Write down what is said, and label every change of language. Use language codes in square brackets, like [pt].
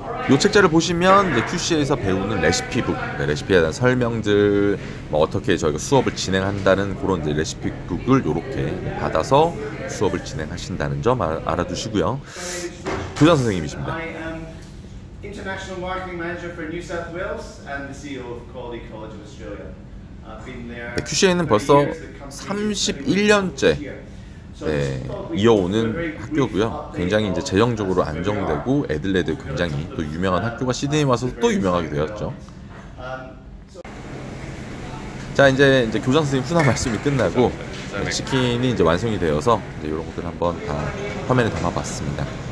[ko] 요 책자를 보시면 이제 QCA에서 배우는 레시피북, 네, 레시피에 대한 설명들, 뭐 어떻게 저희가 수업을 진행한다는 그런 이제 레시피북을 이렇게 받아서 수업을 진행하신다는 점 알아두시고요. 교장 선생님이십니다. [en] I am International Marketing Manager for New South Wales and the CEO of Quality College of Australia. I've been there. [ko] QCA는 벌써 31년째 네, 이어오는 학교고요. 굉장히 이제 재정적으로 안정되고 애들레드 굉장히 또 유명한 학교가 시드니 와서 또 유명하게 되었죠. 자 이제 교장 선생님 훈화 말씀이 끝나고 네, 치킨이 이제 완성이 되어서 이제 이런 것들 한번 다 화면에 담아봤습니다.